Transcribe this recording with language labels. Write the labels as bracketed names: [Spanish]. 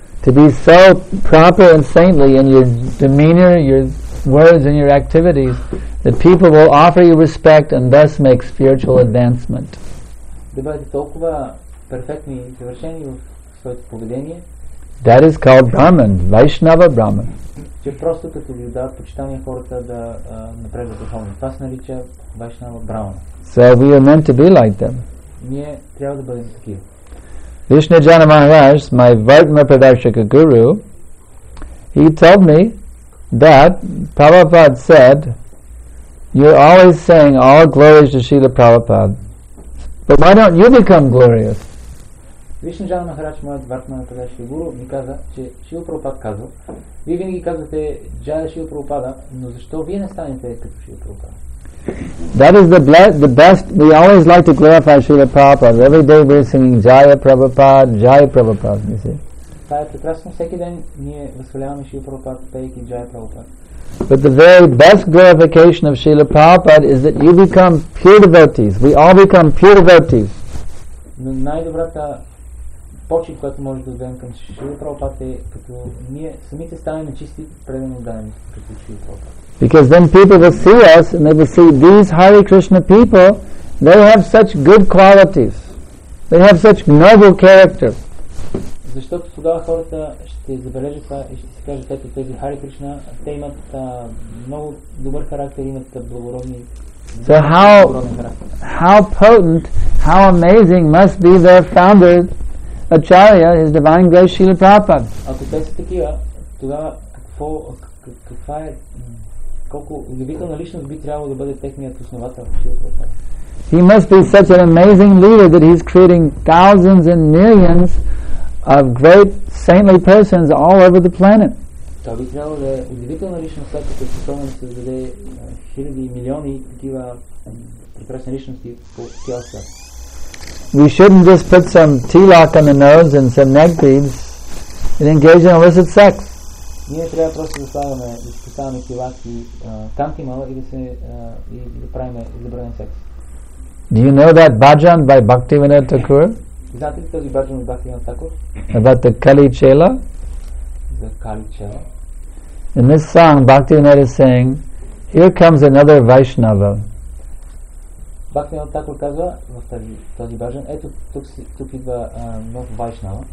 [English] To be so proper and saintly in your demeanor, your words and your activities, that people will offer you respect and thus make spiritual advancement. [Bulgarian] Да бъдете толкова перфектни и съвършени в своето поведение. [English] That is called Brahman, Vaishnava Brahman. [Bulgarian] Че просто като ви дават почитание хората да напредват духовно. Това се нарича Vaishnava Brahman. [English] So we are meant to be like them. [Bulgarian] Ние трябва да бъдем такива. [English] Vishnujana Maharaj, my Vartma Pradarshaka Guru, he told me that Prabhupada said, you're always saying all glories to Srila Prabhupada, but why don't you become glorious? [Bulgarian] Vishnujana Maharaj, my Vartma Pradarshaka Guru, ми каза, че Шрила Прабхупада казва, вие винаги казвате Джая Шрила Прабхупада, но защо вие не станете като Шрила Прабхупада? [English] That is the best. We always like to glorify Srila Prabhupada. Every day we are singing Jaya Prabhupada, Jaya Prabhupada, you see. [Bulgarian] Това е прекрасно. Всеки ден ние възхваляваме Шрила Прабхупада, пейки Jaya Prabhupada. [English] But the very best glorification of Srila Prabhupada is that you become pure devotees. We all become pure devotees. [Bulgarian] Но най-добрата почет, която може да дадем към Шрила Прабхупада, е като ние самите ставаме чисти, предано даваме като Шрила Прабхупада. [English] Because then people will see us and they will see these Hare Krishna people, they have such good qualities. They have such noble character. [Bulgarian] Защото тогава хората ще забележат това и ще си кажат, ето тези Hare Krishna, те имат много добър характер, имат благородни. [English] So how potent, how amazing must be their founder, Acharya, his divine grace Srila Prabhupada. [Bulgarian] Ако те са такива, тогава каква е колко удивителна личност би трябвало да бъде техният основател. [English] He must be such an amazing leader that he's creating thousands and millions of great saintly persons all over the planet. [Bulgarian] Това би трябвало да е удивителна личност, която е способна да създаде хиляди и милиони такива прекрасни личности по цял свят. [English] We shouldn't just put some tilak on the nose and some neck beads and engage in illicit sex. [Bulgarian] Ние трябва просто да ставаме, да си поставяме килак и кантимала и да се и да правим забранен секс. [English] Do you know that bhajan by Bhaktivinoda Thakur? [Bulgarian] Знаете ли този bhajan от Bhaktivinoda Thakur? [English] About the Kali Chela? The Kali Chela. In this song, Bhaktivinoda is saying, here comes another Vaishnava. [Bulgarian] Bhaktivinoda Thakur казва в този bhajan, ето тук идва нов Vaishnava.